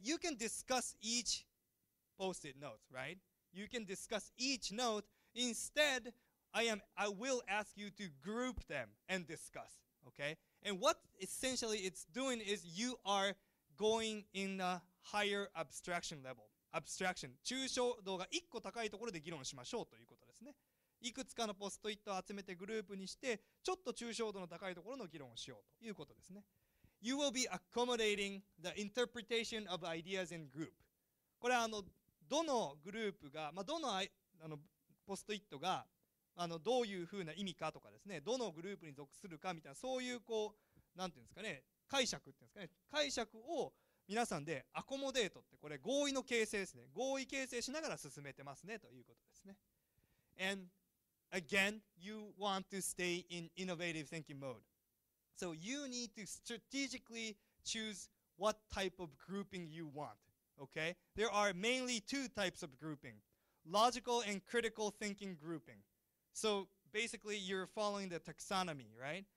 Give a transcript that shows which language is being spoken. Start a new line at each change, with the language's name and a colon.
English: You can discuss each post-it note, right? You can discuss each note. Instead, I will ask you to group them and discuss, okay? And what essentially it's doing is you are going in a higher abstraction level. Abstraction.
Japanese: 抽象度が1個高いところで議論しましょうということですね。いくつかのポストイットを集めてグループにして、ちょっと抽象度の高いところの議論をしようということですね。
English: You will be accommodating the interpretation of ideas in group.
Japanese: これはどのグループが、まあ、どのポストイットがどういうふうな意味かとかですね、どのグループに属するかみたいな、そういうこう、なんていうんですかね、解釈っていうんですかね、解釈を皆さんでアコモデートって、これ合意の形成ですね、合意形成しながら進めてますねということですね。
English: And again, you want to stay in innovative thinking mode. So you need to strategically choose what type of grouping you want. Okay? There are mainly two types of grouping. logical and critical thinking grouping. So basically, you're following the taxonomy, right?